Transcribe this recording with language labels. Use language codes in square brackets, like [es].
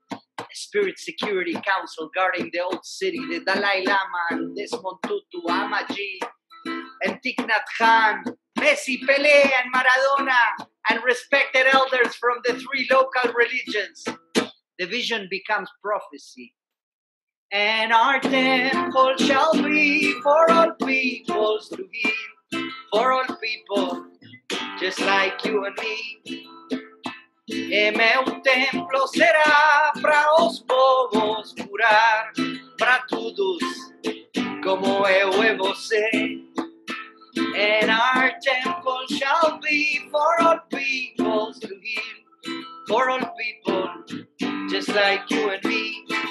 [en] A Spirit Security Council guarding the old city, the Dalai Lama, and Desmond Tutu, Amaji, and Thich Nhat Hanh, Messi, Pelé, and Maradona, and respected elders from the three local religions. The vision becomes prophecy. And our temple shall be for all peoples to heal, for all people, just like you and me. [pt] E meu templo será para os povos curar, para todos, como eu e você. [en] And our temple shall be for all peoples to heal, for all people, just like you and me.